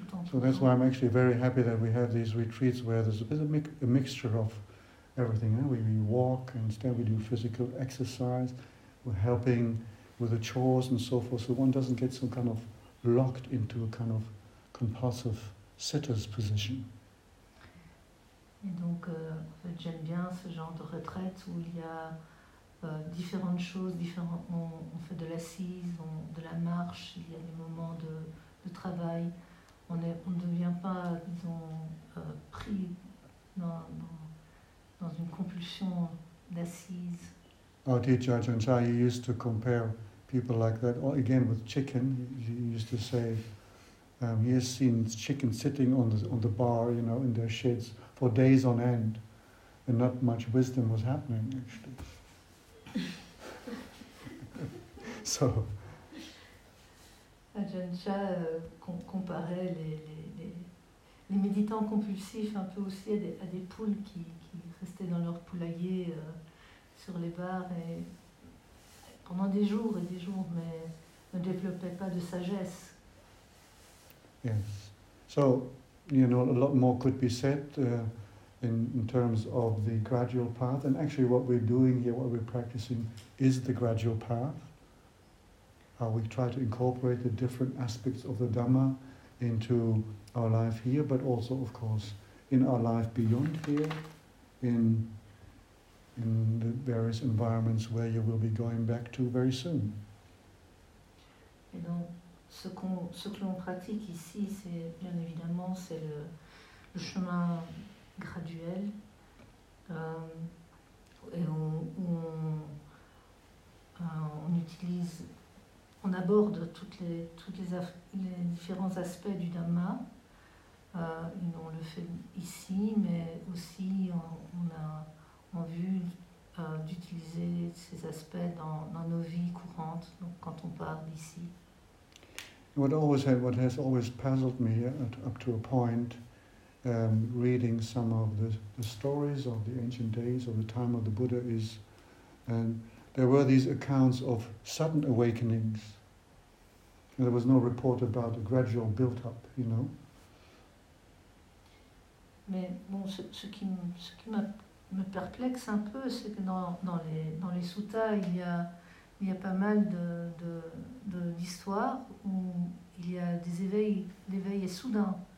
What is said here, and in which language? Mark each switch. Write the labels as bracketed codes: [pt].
[en] So that's why I'm actually very happy that we have these retreats where there's a mixture of everything. Eh? We walk and instead we do physical exercise, we're helping with the chores and so forth, so one doesn't get some kind of locked into a kind of compulsive sitter's position. [fr] Et donc, j'aime bien ce genre de retraite où il y a différentes choses, on fait de l'assise, de la marche, il y a des moments de travail, on ne devient pas, disons, pris dans une compulsion d'assise. [en] Our teacher Ajahn Chah used to compare people like that, again with chicken. He used to say he has seen chickens sitting on the bar, you know, in their sheds for days on end, and not much wisdom was happening, actually. So. [fr] Ajahn Chah comparait les méditants compulsifs un peu aussi à des poules qui restaient dans leur poulailler sur les barres et pendant des jours, mais ne développaient pas de sagesse. [en] Yes. So, you know, a lot more could be said in terms of the gradual path. And actually what we're doing here, what we're practicing, is the gradual path. How we try to incorporate the different aspects of the Dhamma into our life here, but also, of course, in our life beyond here, in the various environments where you will be going back to very soon. [fr] Et donc, ce que l'on pratique ici, c'est bien évidemment, c'est le chemin graduel, et on utilise. On aborde toutes les différents aspects du Dhamma. On le fait ici, mais aussi on a en vue d'utiliser ces aspects dans nos vies courantes. Donc, quand on part d'ici. [en] What has always puzzled me up to a point, reading some of the stories of the ancient days or the time of the Buddha is, there were these accounts of sudden awakenings. And there was no report about a gradual build-up, you know. [fr] Mais bon, ce qui me perplexe un peu, c'est que dans les suttas, il y a pas mal de d'histoires où il y a des éveils, l'éveil est soudain.